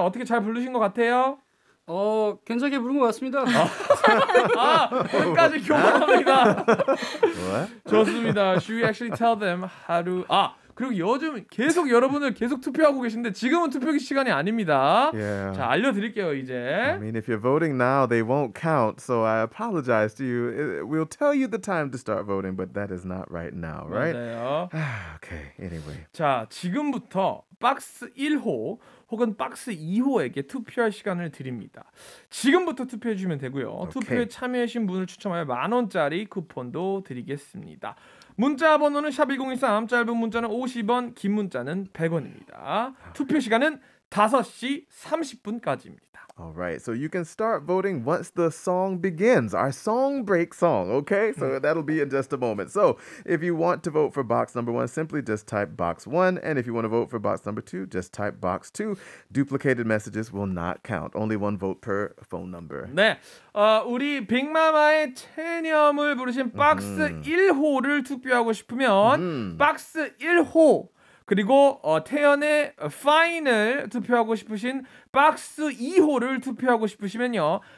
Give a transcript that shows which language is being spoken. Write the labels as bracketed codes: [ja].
[ko] 어떻게 잘 부르신 것 같아요? 어, 괜찮게 부른 것 같습니다. 아, 끝까지 교환합니다. 좋습니다. [en] Should we actually tell them how to... [ko] 아, 그리고 요즘 계속 여러분을 계속 투표하고 계신데 지금은 투표 시간이 아닙니다. [en] Yeah. [ko] 자, 알려드릴게요, 이제. [en] I mean, if you're voting now, they won't count, so I apologize to you. We'll tell you the time to start voting, but that is not right now, right? [ko] 맞아요. [en] Okay, anyway. [ko] 자, 지금부터 박스 1호 혹은 박스 2호에게 투표할 시간을 드립니다. 지금부터 투표해 주시면 되고요. 오케이. 투표에 참여해 주신 분을 추첨하여 만 원짜리 쿠폰도 드리겠습니다. 문자 번호는 샵 1023, 짧은 문자는 50원, 긴 문자는 100원입니다. 투표 시간은 5시 30분까지입니다. [en] All right. So you can start voting once the song begins. Our song break song, okay? So that'll be in just a moment. So, if you want to vote for box number 1, simply just type box 1, and if you want to vote for box number 2, just type box 2. Duplicated messages will not count. Only one vote per phone number. [ko] 네. 우리 빅마마의 체념을 부르신 박스 1호를 투표하고 싶으면 박스 1호 그리고 태연의 파인을 투표하고 싶으신 박스 2호를 투표하고 싶으시면요.